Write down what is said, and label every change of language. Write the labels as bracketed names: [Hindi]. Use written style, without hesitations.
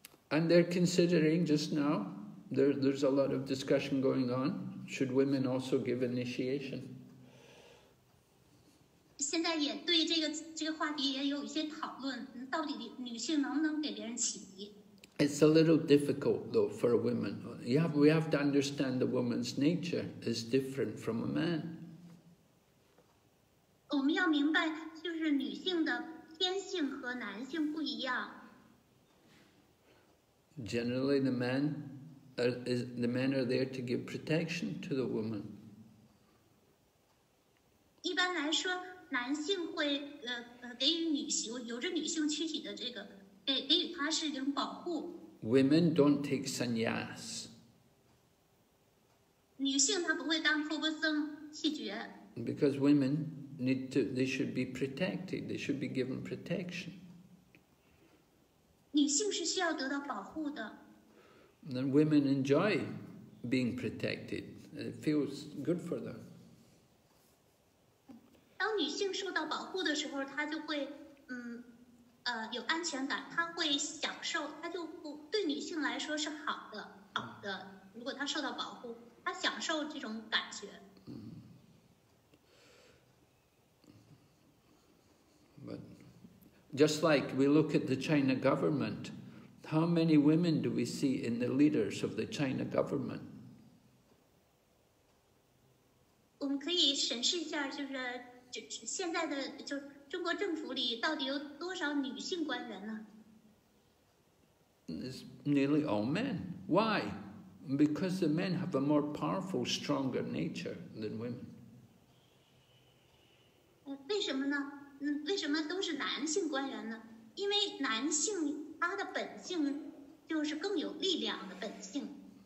[English] And they're considering just now, there's a lot of discussion going on, should women also give initiation? [Chinese] 现在也对这个话题也有一些讨论，到底女性能不能给别人启迪 [English] It's a little difficult though for a woman. We have to understand the woman's nature is different from a man. [Chinese] 我们要明白，就是女性的天性和男性不一样。 [English] Generally, the men are there to give protection to the woman. [Chinese] 一般来说，男性会给予女性由着女性躯体的这个给予她是一种保护。 [English] Women don't take sannyas. [Chinese] 女性她不会当托钵僧弃绝。 [English] Because women need to, they should be protected. They should be given protection. [Chinese] 女性是需要得到保护的。 [English] Then women enjoy being protected. It feels good for them. [Chinese] 当女性受到保护的时候，她就会有安全感，她会享受，她就不对女性来说是好的，好的。如果她受到保护，她享受这种感觉。 [English] But just like we look at the China government, how many women do we see in the leaders of the China government? [Chinese] 我们可以审视一下，就是现在的就中国政府里到底有多少女性官员呢？ [English] It's nearly all men. Why? Because the men have a more powerful, stronger nature than women. [Chinese] 为什么呢？为什么都是男性官员呢？因为男性他的本性就是更有力量的本性。